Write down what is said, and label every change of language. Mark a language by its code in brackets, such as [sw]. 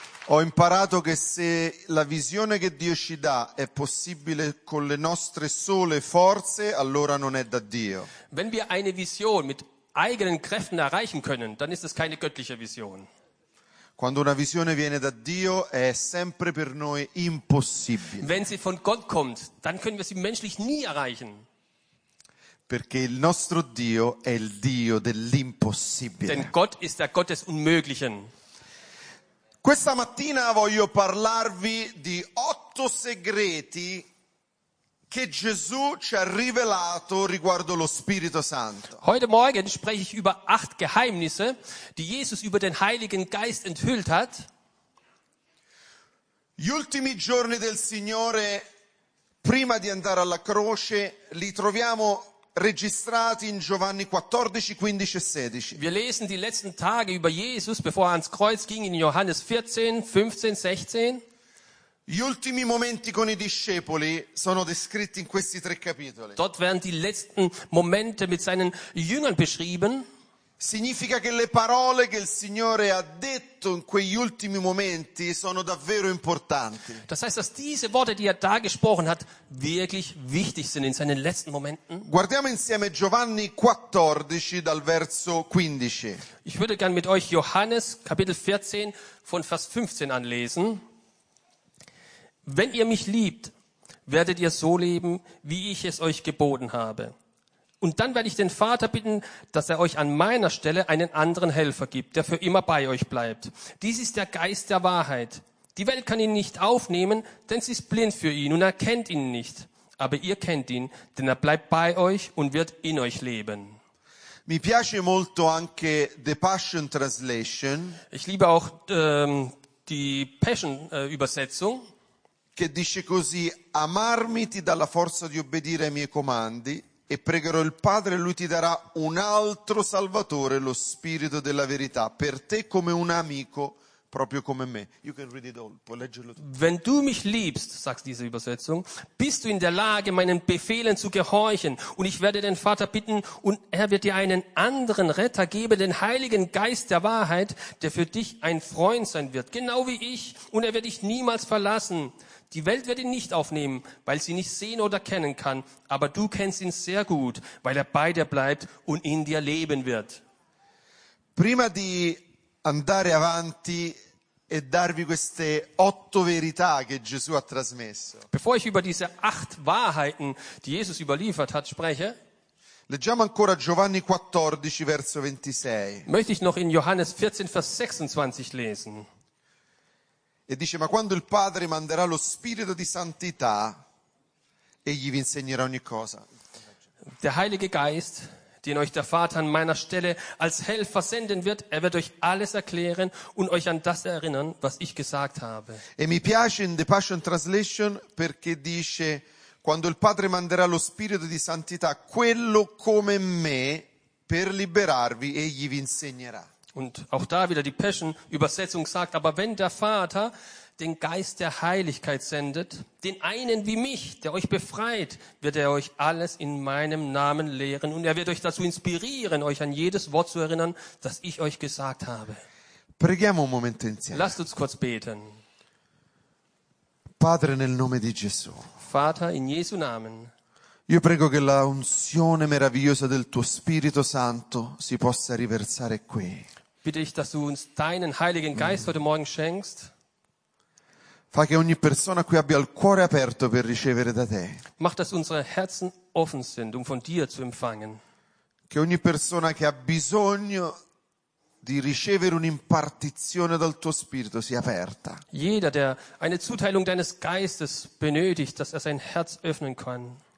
[it] Ho imparato che se la visione che Dio ci dà è possibile con le nostre sole forze, allora non è da Dio. [de] Wenn wir eine Vision mit eigenen Kräften erreichen können, dann ist es keine göttliche Vision. [it] Quando una visione viene da Dio è sempre per noi impossibile. [de] Wenn sie von Gott kommt, dann können wir sie menschlich nie erreichen. [it] Perché il nostro Dio è il Dio dell'impossibile. [de] Denn Gott ist der Gott des Unmöglichen. [it] Questa mattina voglio parlarvi di 8 segreti che Gesù ci ha rivelato riguardo lo Spirito Santo. [de] Heute Morgen spreche ich über 8 Geheimnisse, die Jesus über den Heiligen Geist enthüllt hat. [it] Gli ultimi giorni del Signore, prima di andare alla croce, li troviamo registrati in Giovanni 14, 15 e 16. [de] Wir lesen die letzten Tage über Jesus, bevor er ans Kreuz ging, in Johannes 14, 15, 16. [it] Gli ultimi momenti con i discepoli sono descritti in questi 3 capitoli. [de] Dort werden die letzten Momente mit seinen Jüngern beschrieben. [it] Significa che le parole che il Signore ha detto in quegli ultimi momenti sono davvero importanti. [de] Das heißt, dass diese Worte, die er da gesprochen hat, wirklich wichtig sind in seinen letzten Momenten. [it] Guardiamo insieme Giovanni 14 dal verso 15. [de] Ich würde gern mit euch Johannes Kapitel 14 von Vers 15 anlesen. Wenn ihr mich liebt, werdet ihr so leben, wie ich es euch geboten habe. Und dann werde ich den Vater bitten, dass er euch an meiner Stelle einen anderen Helfer gibt, der für immer bei euch bleibt. Dies ist der Geist der Wahrheit. Die Welt kann ihn nicht aufnehmen, denn sie ist blind für ihn und erkennt ihn nicht. Aber ihr kennt ihn, denn er bleibt bei euch und wird in euch leben. [it] Mi piace molto anche the Passion Translation. [de] Ich liebe auch die Passion-Übersetzung. [it] Che dice così: amarmi ti dà la forza di obbedire ai miei comandi. E pregherò il Padre e lui ti darà un altro Salvatore, lo Spirito della Verità, per te come un amico, proprio come me. [en] You can read it all, [it] puoi leggerlo tutto. [de] Wenn du mich liebst, sagt diese Übersetzung, bist du in der Lage, meinen Befehlen zu gehorchen. Und ich werde den Vater bitten, und er wird dir einen anderen Retter geben, den Heiligen Geist der Wahrheit, der für dich ein Freund sein wird, genau wie ich. Und er wird dich niemals verlassen. Die Welt wird ihn nicht aufnehmen, weil sie nicht sehen oder kennen kann. Aber du kennst ihn sehr gut, weil er bei dir bleibt und in dir leben wird. [it] Prima di andare avanti e darvi queste 8 verità che Gesù ha trasmesso. [de] Bevor ich über diese 8 Wahrheiten, die Jesus überliefert hat, spreche, [it] leggiamo ancora Giovanni 14, verso 26. [de] Möchte ich noch in Johannes 14, Vers 26 lesen. [it] E dice: ma quando il Padre manderà lo Spirito di santità, egli vi insegnerà ogni cosa. [de] Der Heilige Geist, den euch der Vater an meiner Stelle als Helfer senden wird, er wird euch alles erklären und euch an das erinnern, was ich gesagt habe. [it] E mi piace in The Passion Translation perché dice: quando il Padre manderà lo Spirito di santità, quello come me, per liberarvi, egli vi insegnerà. [de] Und auch da wieder die Passion-Übersetzung sagt, aber wenn der Vater den Geist der Heiligkeit sendet, den einen wie mich, der euch befreit, wird er euch alles in meinem Namen lehren und er wird euch dazu inspirieren, euch an jedes Wort zu erinnern, das ich euch gesagt habe. [it] Preghiamo un momento insieme. [de] Lasst uns kurz beten. [it] Padre, nel nome di Gesù. [de] Vater, in Jesu Namen. [it] Io prego che la unzione meravigliosa del tuo Spirito Santo si possa riversare qui. [de] Bitte ich, dass du uns deinen Heiligen Geist heute Morgen schenkst. [it] Fa che ogni persona qui abbia il cuore aperto per ricevere da te. [de] Mach, dass unsere Herzen offen sind, um von dir zu empfangen. [it] Che ogni persona che ha bisogno di ricevere un'impartizione dal tuo Spirito sia aperta. [de] Jeder, der eine Zuteilung deines Geistes benötigt, dass er sein Herz öffnen kann.